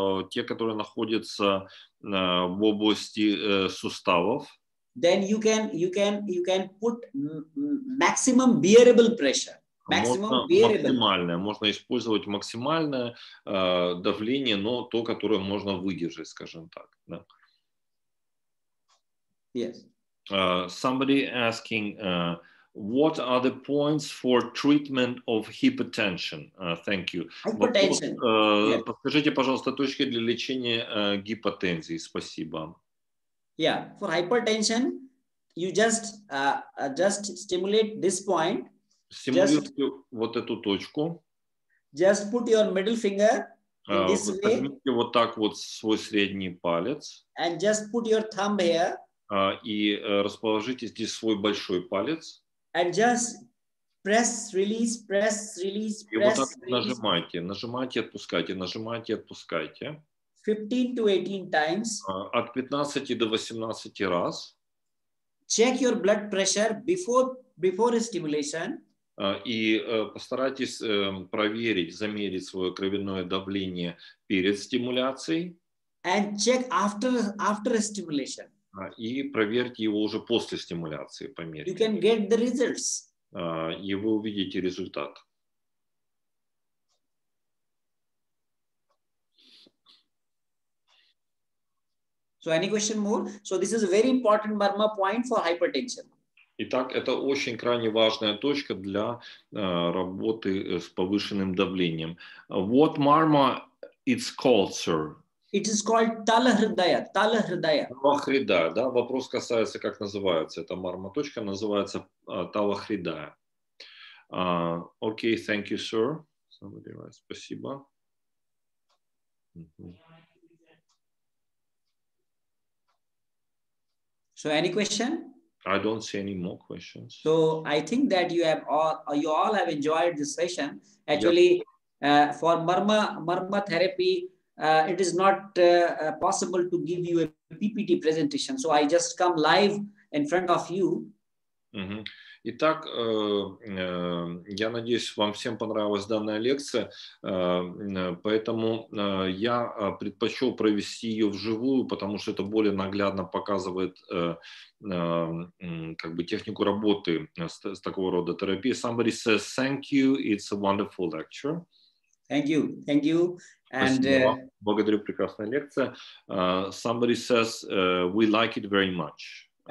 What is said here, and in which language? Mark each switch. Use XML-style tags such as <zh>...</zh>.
<ru>Те, которые находятся в области суставов,</ru> <en>then you can put maximum bearable pressure.</en> <ru>Можно использовать максимальное давление, но то, которое можно выдержать, скажем так. Да.</ru> <en>Yes. Somebody asking, what are the points for treatment of hypertension? Thank you. Hypertension. Yes.</en> <ru>Подскажите, пожалуйста, точки для лечения гипотензии. Спасибо.</ru> <en>Yeah, for hypertension, you just stimulate this point.</en> <ru>Стимулируйте вот эту точку.</ru> <en>Just put your middle finger in this way.</en> <ru>Возьмите вот так вот свой средний палец.</ru> <en>And just put your thumb here.</en> <ru>Расположите здесь свой большой палец.</ru> <en>And just press, release.</en> <ru>И вот так нажимайте, отпускайте, отпускайте.</ru> <en>15 to 18 times.</en> <ru>От 15 до 18 раз.</ru> <en>Check your blood pressure before stimulation.</en> <ru>Постарайтесь проверить, замерить свое кровяное давление перед стимуляцией.</ru> <en>And check after stimulation.</en> <ru>И проверьте его уже после стимуляции, померьте.</ru> <en>You can get the results.</en> <ru>И вы увидите результат.</ru> <en>So any question more? So this is a very important marma point for hypertension.</en> <ru>Итак, это очень крайне важная точка для работы с повышенным давлением.</ru> <en>What marma it's called, sir? It is called талахридая.</en> <ru>Талахридая, да, вопрос касается, как называется эта марма точка, называется талахридая.</ru> <en>Okay, thank you, sir.</en> <ru>Спасибо.</ru> <en>So, any question? I don't see any more questions. So I think that you all have enjoyed this session. Actually, yep. For marma therapy, it is not possible to give you a PPT presentation. So I just come live in front of you. Mm-hmm.</en> <ru>Итак, я надеюсь, вам всем понравилась данная лекция, поэтому я предпочел провести ее вживую, потому что это более наглядно показывает как бы технику работы с такого рода терапией.</ru> <en>Somebody says thank you, it's a wonderful lecture. Thank you. And,</en> <ru>благодарю, прекрасная лекция.</ru> <en>Somebody says we like it very much.</en>